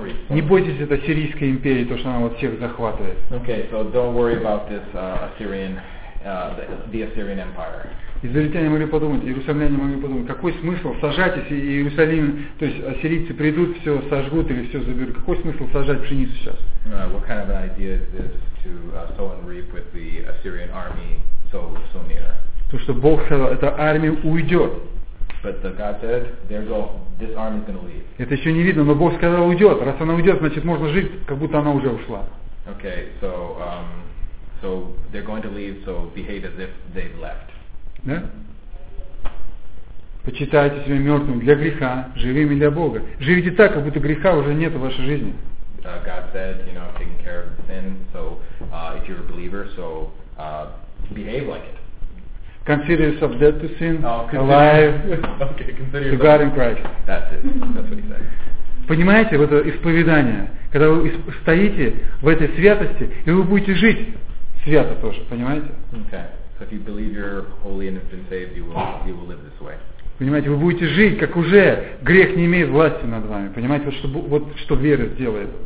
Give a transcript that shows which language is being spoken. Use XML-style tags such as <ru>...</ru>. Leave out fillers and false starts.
<ru>Не бойтесь этой сирийской империи, то, что она вот всех захватывает.</ru> <en>Okay, so don't worry about this Assyrian, the Assyrian Empire.</en> <ru>Израильтяне могли подумать, иерусалимляне могли подумать, какой смысл сажать, если Иерусалим, то есть ассирийцы придут, все сожгут или все заберут. Какой смысл сажать пшеницу сейчас?</ru> <en>What kind of an idea is this to sow and reap with the Assyrian army so near?</en> <ru>То, что Бог сказал, эта армия уйдет.</ru> <en>But the God said, "There go. This army is going to leave."</en> <ru>Это еще не видно, но Бог сказал, уйдет. Раз она уйдет, значит можно жить, как будто она уже ушла.</ru> <en>Okay, so so they're going to leave. So behave as if they've left.</en> <ru>Да? Почитайте себя мертвым для греха, живыми для Бога. Живите так, как будто греха уже нет в вашей жизни.</ru> <en>God said, you know, taking care of sin. So if you're a believer, so behave like it. Consider yourself dead to sin, alive, okay, to God in Christ. That's it. That's what he said.</en> <ru>Понимаете, вот это исповедание, когда вы стоите в этой святости, и вы будете жить свято тоже, понимаете?</ru> <en>Okay. So if you believe you're holy and have been saved, you will live this way.</en> <ru>Понимаете, вы будете жить, как уже грех не имеет власти над вами. Понимаете, вот что вера делает.</ru>